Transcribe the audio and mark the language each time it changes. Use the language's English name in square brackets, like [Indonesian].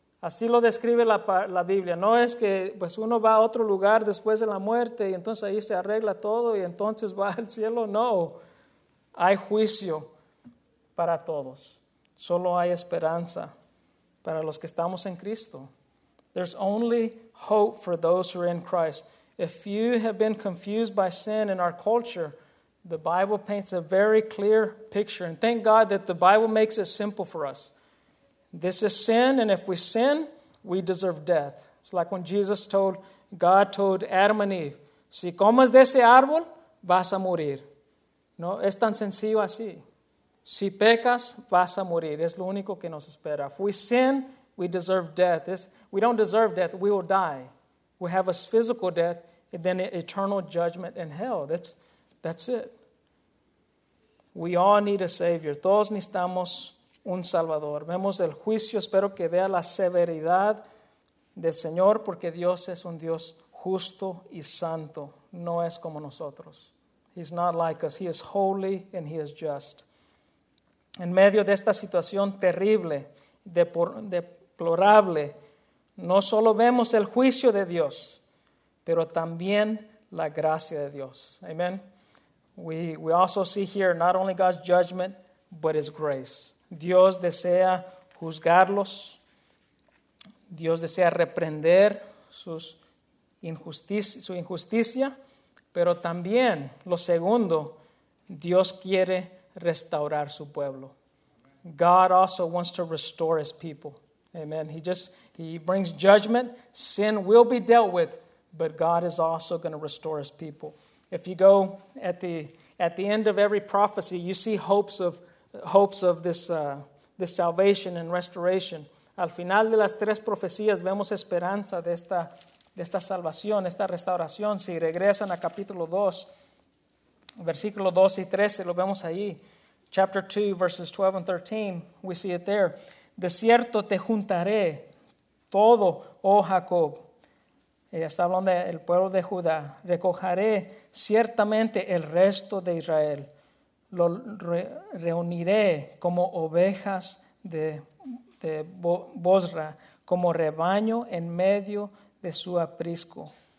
[Spanish] Así lo describe la Biblia. No es que pues uno va a otro lugar después de la muerte y entonces ahí se arregla todo y entonces va al cielo. No, hay juicio para todos. Solo hay esperanza para los que estamos en Cristo. [English] There's only hope for those who are in Christ. If you have been confused by sin in our culture, the Bible paints a very clear picture. And thank God that the Bible makes it simple for us. This is sin, and if we sin, we deserve death. It's like when God told Adam and Eve, [Spanish] si comes de ese árbol, vas a morir. No, es tan sencillo así. Si pecas, vas a morir. Es lo único que nos espera. [English] If we sin, we deserve death. We don't deserve death. We will die. We have a physical death and then eternal judgment in hell. That's it. We all need a Savior. [Spanish] Todos necesitamos un Salvador. Vemos el juicio. Espero que vea la severidad del Señor porque Dios es un Dios justo y santo. No es como nosotros. [English] He's not like us. He is holy and he is just. [Spanish] En medio de esta situación terrible, deplorable, no solo vemos el juicio de Dios, pero también la gracia de Dios. Amen. [English] We also see here not only God's judgment, but his grace. [Spanish] Dios desea juzgarlos. Dios desea reprender su injusticia. Pero también, lo segundo, Dios quiere restaurar su pueblo. [English] God also wants to restore his people. Amen. He brings judgment. Sin will be dealt with, but God is also going to restore his people. If you go at the end of every prophecy, you see hopes of this salvation and restoration. [Spanish] Al final de las tres profecías vemos esperanza de esta salvación, esta restauración. Si regresan a capítulo 2, versículo 2 y 13, lo vemos ahí. [English] Chapter 2, verses 12 and 13, we see it there. [Spanish] De cierto te juntaré todo, oh Jacob. Ella está hablando del pueblo de Judá. Recogeré ciertamente el resto de Israel. Lo reuniré como ovejas de Bosra, como rebaño en medio de su aprisco.